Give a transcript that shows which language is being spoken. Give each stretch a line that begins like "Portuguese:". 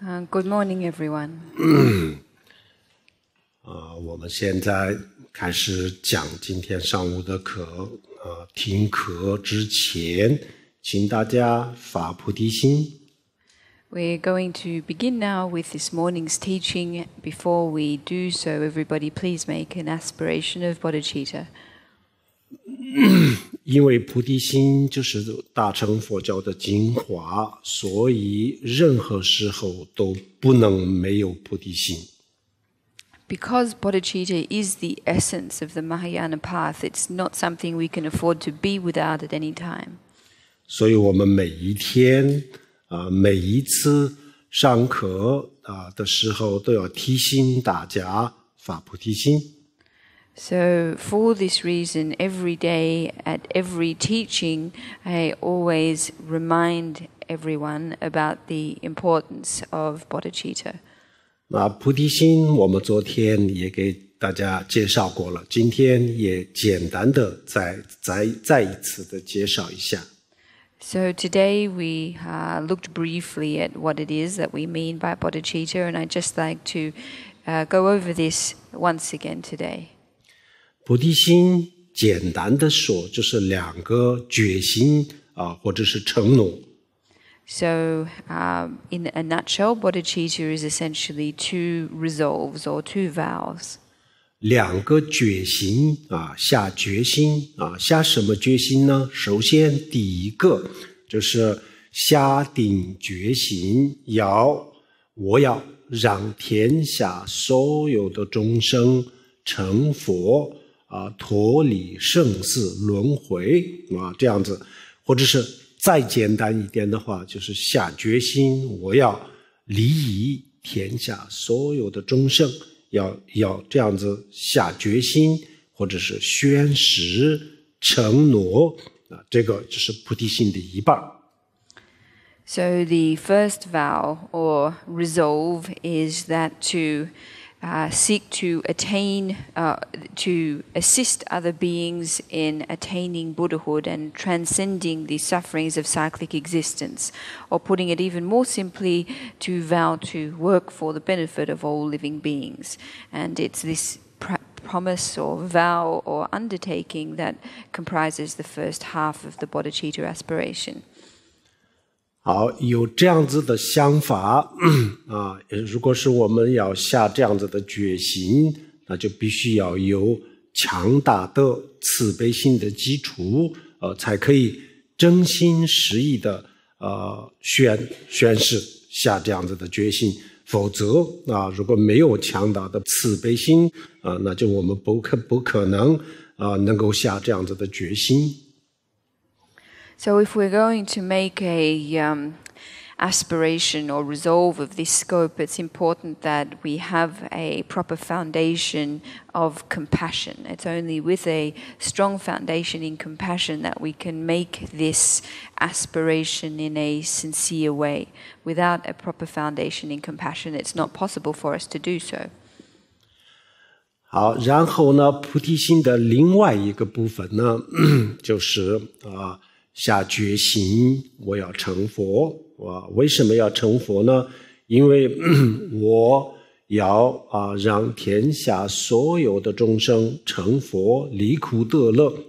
English: Good morning, everyone.
Chinese: 我们现在开始讲今天上午的课。听课之前，请大家发菩提心。
English: We're going to begin now with this morning's teaching. Before we do so, everybody, please make an aspiration of bodhicitta.
Chinese: 因为菩提心就是大乘佛教的精华，所以任何时候都不能没有菩提心。
English: Because bodhicitta is the essence of the Mahayana path, it's not something we can afford to be without at any time.
Chinese: 所以我们每一天，每一次上课，的时候都要提醒大家发菩提心。
English: So for this reason, every day at every teaching, I always remind everyone about the importance of bodhicitta.
Chinese: 那菩提心我们昨天也给大家介绍过了，今天也简单的再一次的介绍一下。
English: So today we looked briefly at what it is that we mean by bodhicitta, and I'd just like to go over this once again today.
Chinese: 菩提心简单的说就是两个决心或者是承诺。
English: So, in a nutshell, bodhicitta is essentially two resolves or two vows.
Chinese: 两个决心啊，下决心啊，下什么决心呢？首先，第一个就是下定决心，我要让天下所有的众生成佛啊，脱离生死轮回啊，这样子，或者是。再简单一点的话，就是下决心，我要离异天下所有的众生，要这样子下决心，或者是宣誓承诺啊，这个就是菩提心的一半。
English: So the first vow or resolve is that to seek to attain to assist other beings in attaining Buddhahood and transcending the sufferings of cyclic existence, or putting it even more simply, to vow to work for the benefit of all living beings. And it's this promise or vow or undertaking that comprises the first half of the bodhicitta aspiration.
Chinese: 好，有这样子的想法啊，如果是我们要下这样子的决心，那就必须要有强大的慈悲心的基础，才可以真心实意的宣誓下这样子的决心。否则啊，如果没有强大的慈悲心啊，那就我们不可能能够下这样子的决心。
English: So if we're going to make a aspiration or resolve of this scope, it's important that we have a proper foundation of compassion. It's only with a strong foundation in compassion that we can make this aspiration in a sincere way. Without a proper foundation in compassion, it's not possible for us to do so.
Chinese: 好，然后呢，菩提心的另外一个部分呢，就是下决心，我要成佛。为什么要成佛呢？因为我要让天下所有的众生成佛，离苦得乐。